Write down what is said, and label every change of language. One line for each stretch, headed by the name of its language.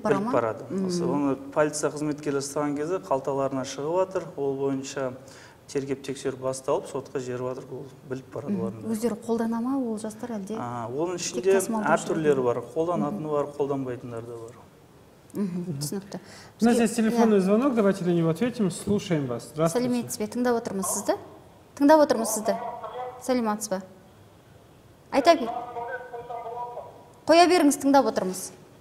Kazakh: барады біліп барады оны полиция қызметкерлері ұстаған кезде қалталарына шығып жатыр ол бойынша тергеп тексеру басталып сотқа жіберіп жатыр ол біліп барады олар өздері қолдана ма ол жастар әлде оның ішінде әртүрлері бар қолданатыны бар қолданбайтындар да бар түсінікті
Russian: у нас здесь телефонный звонок давайте на него ответим слушаем вас
Kazakh: сәлеметсіз бе тыңдап отырмыз сізді тыңдап отырмыз сізді сәлеметсіз бе айта бер қоя беріңіз тыңдап отырмыз